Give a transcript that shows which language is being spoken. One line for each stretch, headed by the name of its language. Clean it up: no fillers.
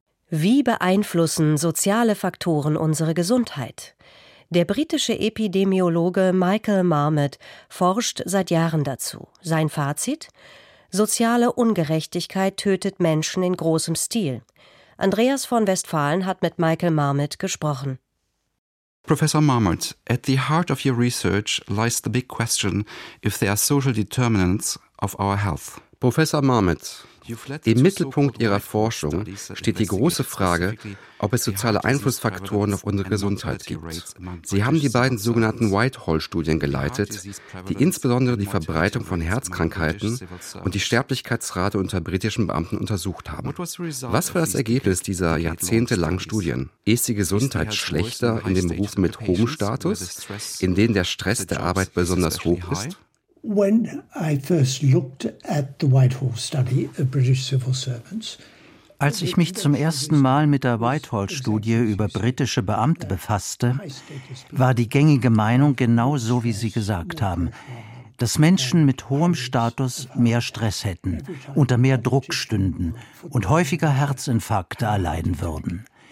German: Wie beeinflussen soziale Faktoren unsere Gesundheit? Der britische Epidemiologe Michael Marmot forscht seit Jahren dazu. Sein Fazit? Soziale Ungerechtigkeit tötet Menschen in großem Stil. Andreas von Westphalen hat mit Michael Marmot gesprochen.
English: Professor Marmot, at the heart of your research lies the big question if there are social determinants of our health.
German: Professor Marmot, im Mittelpunkt Ihrer Forschung steht die große Frage, ob es soziale Einflussfaktoren auf unsere Gesundheit gibt. Sie haben die beiden sogenannten Whitehall-Studien geleitet, die insbesondere die Verbreitung von Herzkrankheiten und die Sterblichkeitsrate unter britischen Beamten untersucht haben. Was war das Ergebnis dieser jahrzehntelangen Studien? Ist die Gesundheit schlechter in den Berufen mit hohem Status, in denen der Stress der Arbeit besonders hoch ist?
English: When I first looked at the Whitehall study of British civil servants,
German: als ich mich zum ersten Mal mit der Whitehall-Studie über britische Beamte befasste, war die gängige Meinung genau so, wie Sie gesagt haben, dass Menschen mit hohem Status mehr Stress hätten, unter mehr Druck stünden und häufiger Herzinfarkte erleiden würden.